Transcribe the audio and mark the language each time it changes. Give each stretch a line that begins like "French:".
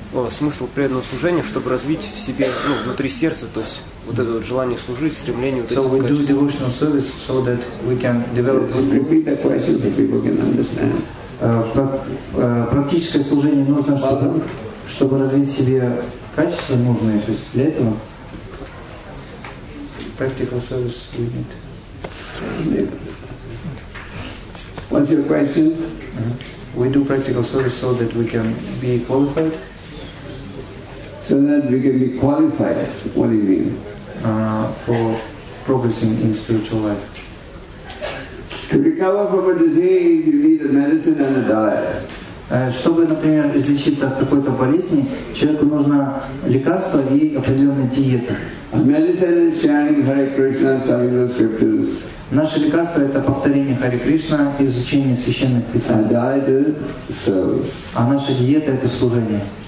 Russian: Смысл преданного служения, чтобы развить в себе, ну, внутри сердца, то есть вот это вот желание служить, стремление вот этого.
English: So we do devotional service so that we can develop. Repeat the question so people can understand. Практическое
Russian: служение нужно, чтобы развить в себе качества нужные, то есть для этого.
English: Practical service we need. What's your question? We do practical service so that we can be qualified. So that we can be qualified. What do you mean? For progressing in spiritual life. To recover from a disease, you need a medicine and a diet.
Russian: Чтобы, например, излечиться от какой-то болезни, человеку нужно лекарство и определенная диета.
English: A medicine is chanting Hare Krishna, studying the scriptures.
Russian: Наше лекарство – это повторение Хари Кришна, изучение священных писаний. А наша диета – это служение.